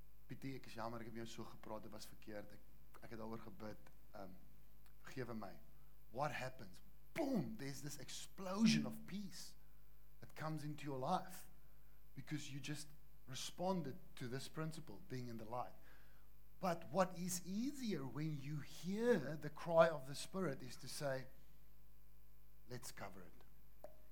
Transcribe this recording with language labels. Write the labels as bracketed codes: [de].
[af] Pietie, ek is jammer, ek heb jou so gepraat, dit was verkeerd. Ek het alweer gebid, vergewe my. [en] What happens? Boom, there's this explosion of peace that comes into your life because you just responded to this principle, being in the light. But what is easier when you hear the cry of the Spirit is to say, let's cover it.